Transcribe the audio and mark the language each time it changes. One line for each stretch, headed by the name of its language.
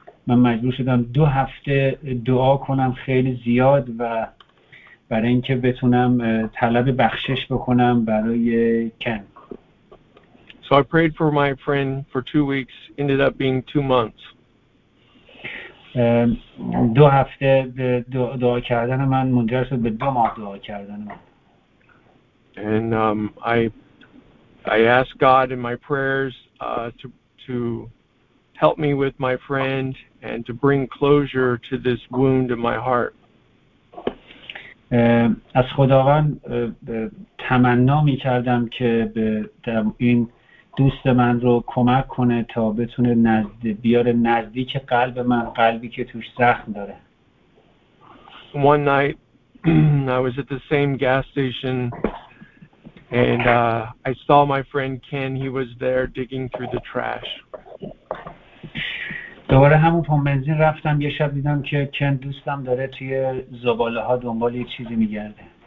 Persian: من مجبور شدم دو هفته دعا کنم خیلی زیاد و برای اینکه بتونم طلب بخشش بکنم برای کن.
English: So I prayed for my friend for 2 weeks, ended up being 2 months.
Persian: دو هفته دعا کردن من منجر شد به 2 ماه دعا کردن من.
English: And I asked God in my prayers to help me with my friend and to bring closure to this wound in my heart.
Persian: از خداوند تمنا می‌کردم که این دوست من رو کمک کنه تا بتونه نزدیک قلب من، قلبی که توش زخم داره.
English: One night I was at the same gas station and I saw my friend Ken. He was there digging through the trash.
Persian: دوباره همون پمپ بنزین رفتم، یه شب دیدم که کن دوستم داره توی زباله ها دنبال یه چیزی میگرده.